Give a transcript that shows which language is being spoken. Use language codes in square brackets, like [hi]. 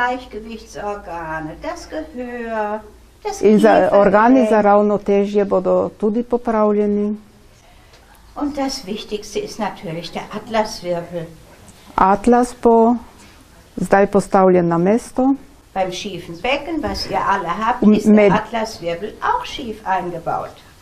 [de] Gleichgewichtsorgane, das Gehör, das [sl] in za organi za ravnotežje bodo tudi popravljeni. [de] Und das Wichtigste ist natürlich der Atlaswirbel. [sl] Atlas bo zdaj postavljen na mesto. [de] Beim schiefen Becken, was ihr alle habt, ist der Atlaswirbel auch schief eingebaut.